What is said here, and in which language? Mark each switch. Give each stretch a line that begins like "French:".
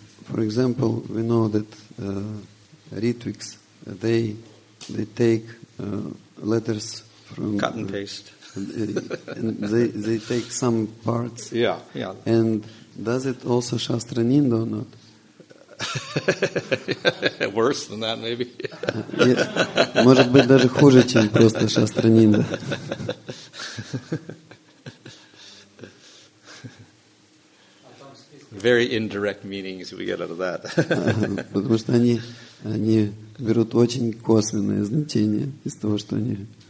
English: For example, we know that Ritviks, they take letters from... Cut and paste. they take some parts. Yeah, yeah. And does it also Shastra Nindo or not? Worse than that, maybe.
Russian: Может быть, даже хуже, чем просто Shastra Nindo.
English: Very indirect meanings we get out of that.
Russian: Потому что они берут очень косвенное значение из того, что они...